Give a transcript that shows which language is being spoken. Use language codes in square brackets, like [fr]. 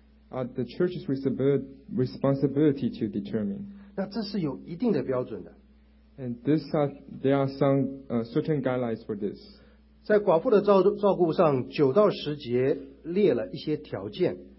[en] Are the church's responsibility to determine. [zh] 那这是有一定的标准的。 [en] And there are some certain guidelines for this. [zh] 在寡妇的照顾上，九到十节列了一些条件。